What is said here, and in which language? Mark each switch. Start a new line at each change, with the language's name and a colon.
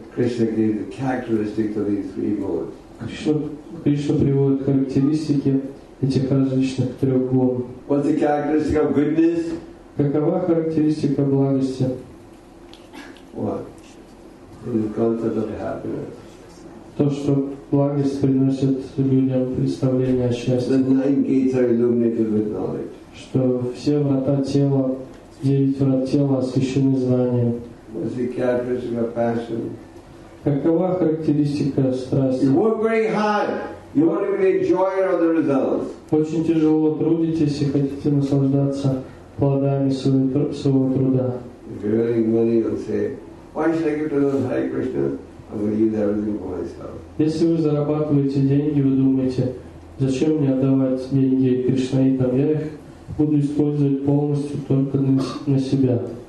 English: Krishna gave the characteristics of these three modes.
Russian: Кришна приводит характеристики этих различных трех гун.
English: What's the characteristic of goodness?
Russian: Какова характеристика благости?
English: What? In the concept of happiness.
Russian: То, что благость приносит людям представление о счастье.
English: The nine gates are illuminated with knowledge.
Russian: Что все врата тела, девять врат тела освещены знанием.
English: What's the characteristic of passion?
Russian: Какова характеристика страсти?
English: You work very hard. You want to be the enjoyer of the results.
Russian: Очень тяжело трудитесь и хотите наслаждаться плодами своего труда.
English: If you're earning money, you'll say, why should I give to those Hare Krishna? I'm going to use everything for myself.
Russian: Если вы зарабатываете деньги, вы думаете, зачем мне отдавать деньги Кришнаитам? Я их буду использовать полностью только на себя.